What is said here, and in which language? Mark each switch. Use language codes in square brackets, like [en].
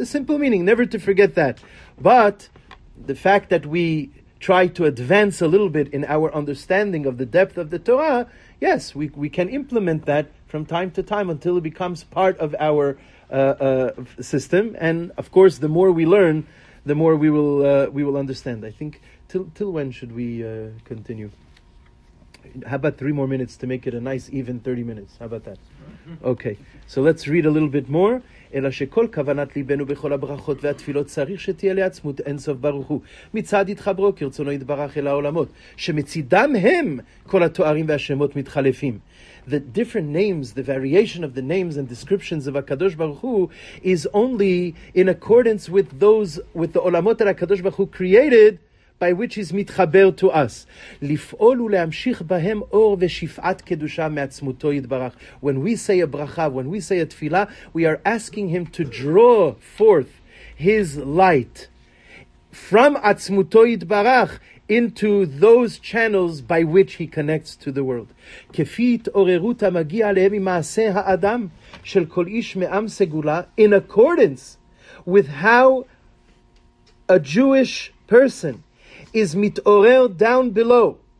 [en] The simple meaning, never to forget that. But the fact that we try to advance a little bit in our understanding of the depth of the Torah, yes, we can implement that from time to time until it becomes part of our system. And of course, the more we learn, the more we will understand. I think, till when should we continue? How about 3 more minutes to make it a nice even 30 minutes? How about that? Okay, so let's read a little bit more. [he] אלא שכל כוונת ליבנו בכל הברכות והתפילות צריך שתהיה לעצמות אין סוף ברוך הוא. מצד התחברו כרצונו יתברך אל העולמות, שמצידם הם כל התוארים והשמות מתחלפים. [en] The different names, the variation of the names and descriptions of HaKadosh Baruch Hu is only in accordance with those, with the olamot that HaKadosh Baruch Hu created, by which is mitchaber to us. [he] לפעול ולהמשיך בהם אור ושפעת קדושה מעצמותו יתברך. [en] When we say a bracha, when we say a tefillah, we are asking him to draw forth his light from [he] עצמותו יתברך [en] into those channels by which he connects to the world. [he] כפי התעוררות המגיע להם עם מעשה האדם של כל איש מעם סגולה, [en] in accordance with how a Jewish person is mitorel down below.